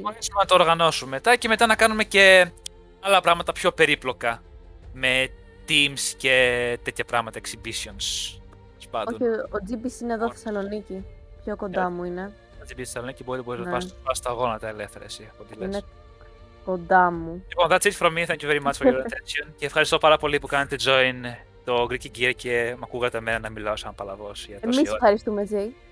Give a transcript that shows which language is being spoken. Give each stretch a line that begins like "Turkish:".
Greek: Μπορούμε να το οργανώσουμε μετά και μετά να κάνουμε και άλλα πράγματα πιο περίπλοκα. Με teams και τέτοια πράγματα, exhibitions. Όχι, ο GBC είναι εδώ Θεσσαλονίκη. Πιο κοντά μου είναι. Ο GBC Θεσσαλονίκη μπορεί να πας στα γόνατα ελεύθερα εσύ, από τη λες. Είναι κοντά μου.
English: Λοιπόν, that's it from me. Thank you very much for your attention.
Greek: Και ευχαριστώ πάρα πολύ που κάνετε join το Greek Gear και με ακούγατε εμένα να μιλάω σαν παλαβός για τόση Εμείς ευχαριστούμε, Jay.